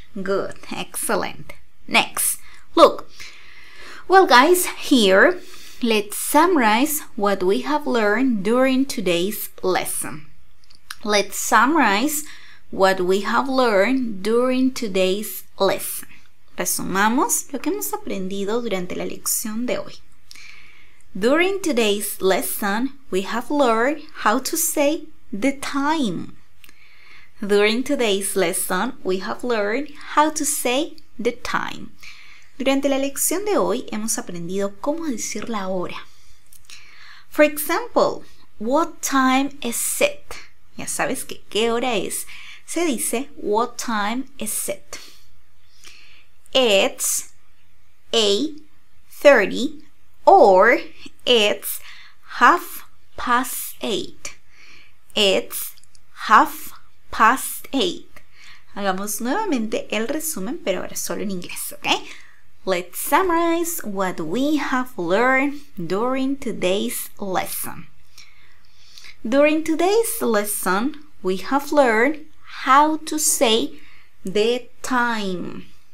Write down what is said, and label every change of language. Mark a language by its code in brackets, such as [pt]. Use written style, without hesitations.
[en] Good, excellent. Next. Look. Well, guys, here, let's summarize what we have learned during today's lesson. [es] Resumamos lo que hemos aprendido durante la lección de hoy. [en] During today's lesson, we have learned how to say the time. During today's lesson, we have learned how to say the time. [es] Durante la lección de hoy, hemos aprendido cómo decir la hora. [en] For example, what time is it? [es] Ya sabes que qué hora es. Se dice, [en] what time is it? It's 8:30 or it's 8:30. It's 8:30. [es] Hagamos nuevamente el resumen, pero ahora solo en inglés, ¿ok? [en] Let's summarize what we have learned during today's lesson. During today's lesson, we have learned how to say the time.